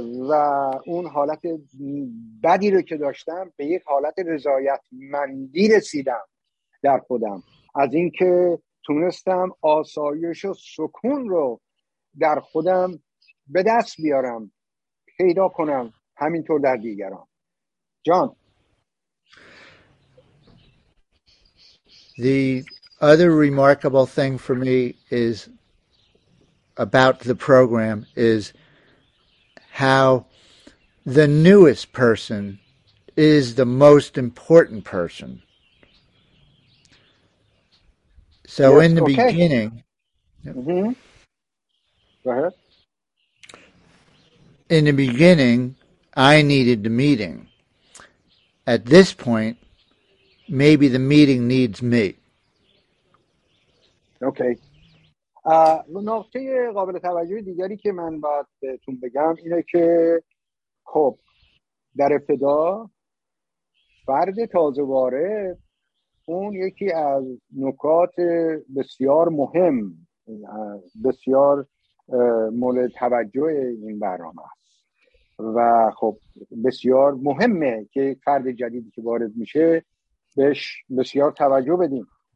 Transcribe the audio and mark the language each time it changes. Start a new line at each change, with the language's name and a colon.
Persian: و اون حالت بدی رو که داشتم به یک حالت رضایتمندی رسیدم در خودم، از اینکه تونستم آسایش و سکون رو در خودم به دست بیارم، پیدا کنم، همینطور در دیگران. جان،
English: The other remarkable thing for me is about the program is how the newest person is the most important person. So yes, in the okay. beginning, mm-hmm. Go ahead. In the beginning, I needed the meeting. At this point, maybe the meeting needs me. Okay.
Persian: نقطه قابل توجه دیگری که من باید بهتون بگم اینه که خب در ابتدا فرد تازه وارد اون یکی از نکات بسیار مهم، بسیار مورد توجه این برنامه است و خب بسیار مهمه که فرد جدیدی که وارد میشه بهش بسیار توجه بدیم.